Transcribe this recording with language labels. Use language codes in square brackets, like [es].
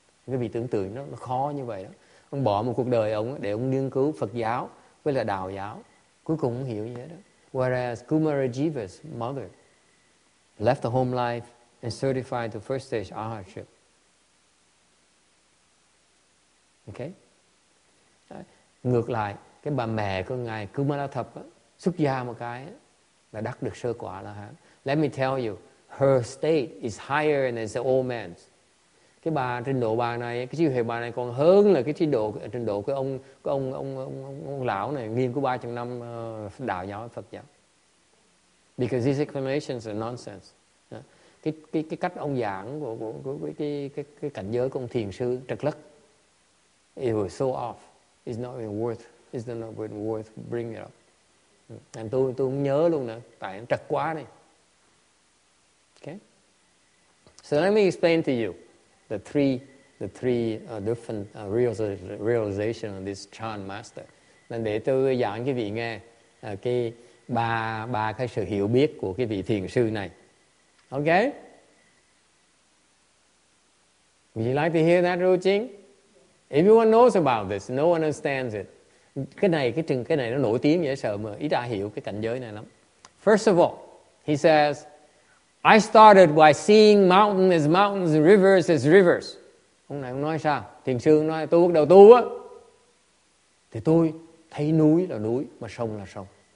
[vi] Quý vị tưởng tượng nó khó như vậy đó. Ông bỏ một cuộc đời ông để ông nghiên cứu Phật giáo với là đạo giáo, cuối cùng không hiểu gì hết đó. [en] Whereas Kumarajiva's mother left the home life and certified to first stage arhatship. Okay? [vi] Ngược lại, cái bà mẹ của ngài Kumarathap xuất gia một cái là đắc được sơ quả là hả? [en] Let me tell you, her state is higher than the old man's. [vi] Cái bà trình độ bà này, cái trí huệ bà này còn hơn là cái trình độ của ông lão này nghiên cứu 300 năm đạo giáo Phật giáo. [en] Because these explanations are nonsense. [vi] Cái cách ông giảng của cái cảnh giới của ông thiền sư trật lất. [en] It was so off. It's not even worth bringing it up. [vi] And tôi không nhớ luôn nữa, tại nó trật quá này. [en] Okay. So let me explain to you the three different realization of this Chan master. [vi] Nên để tôi giảng cho vị nghe cái ba cái sự hiểu biết của cái vị thiền sư này. [en] Okay? Would you like to hear that, Ruching? Everyone knows about this, no one understands it. [vi] Cái này nó nổi tiếng dễ sợ mà ít ai hiểu cái cảnh giới này lắm. [en] First of all, he says, I started by seeing mountains, rivers. [vi] Ông này ông nói sao? Thiền sư nói tôi bắt đầu tu á, thì tôi thấy núi là núi mà sông là sông.